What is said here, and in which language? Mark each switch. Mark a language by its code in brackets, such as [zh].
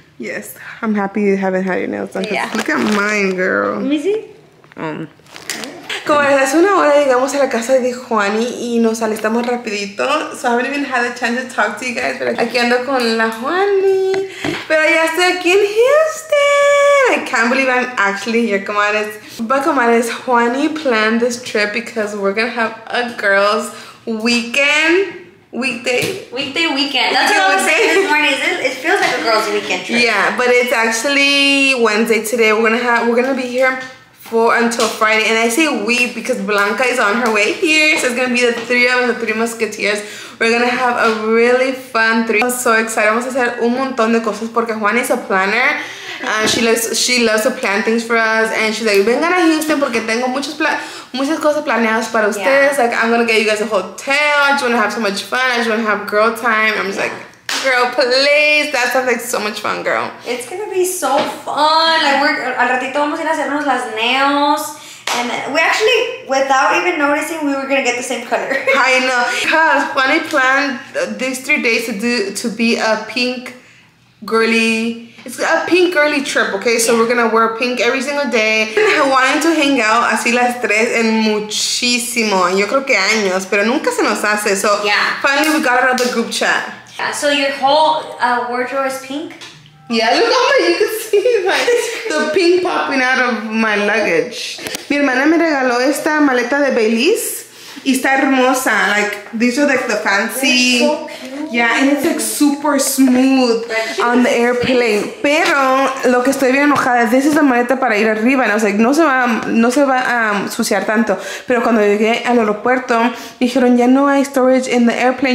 [en] Yes, I'm happy you haven't had your nails done. Yeah. Look at mine, girl. Let me see. [es] Como desde hace una hora llegamos a la casa de Juani y nos alistamos rapidito. [en] So I haven't even had a chance to talk to you guys, [es] pero aquí ando con la Juani. Pero ya estoy aquí en Houston. [en] I can't believe I'm actually here, comadres. But comadres, Juani planned this trip because we're gonna have a girls' weekend. Weekday weekend. That's what I was saying this morning. It feels like a girls' weekend trip. Yeah, but it's actually Wednesday today. We're gonna be here until Friday, and I say we because Blanca is on her way here, so it's gonna be the three of us, the three musketeers. We're gonna have a really fun three. I'm so excited. [es] Vamos a hacer un montón de cosas porque Juan [en] is a planner. She loves to plan things for us, and she's like, [es] vengan a Houston porque tengo muchas cosas planeadas para ustedes. [en] Yeah. Like, I'm gonna get you guys a hotel. I just wanna have so much fun. I just wanna have girl time. I'm just like, girl, please. That sounds like so much fun, girl. It's gonna be so fun. [es] Like, al ratito vamos a ir a hacernos las nails. [en] And we actually, without even noticing, we were gonna get the same color. I know. Because Juani planned these 3 days to be a pink girly. It's a pink girly trip, okay? So we're gonna wear pink every single day. Wanting to hang out [es] así las tres en muchísimo. Yo creo que años, pero nunca se nos hace. [en] So yeah. Finally, we got another group chat. Yeah, so your whole wardrobe is pink? Yeah, look how you can see the pink popping out of my luggage. [es] Mi hermana me regaló esta maleta de Belize. Y está hermosa. [en] Like, these are like the fancy. So cute. Yeah, and it's like super smooth on the airplane. [es] Pero lo que estoy bien enojada, [en] this is [es] la maleta para ir arriba. [en] And I was like, [es] no se va a suciar tanto. Pero cuando llegué al aeropuerto, dijeron, ya no hay storage [en] in the airplane.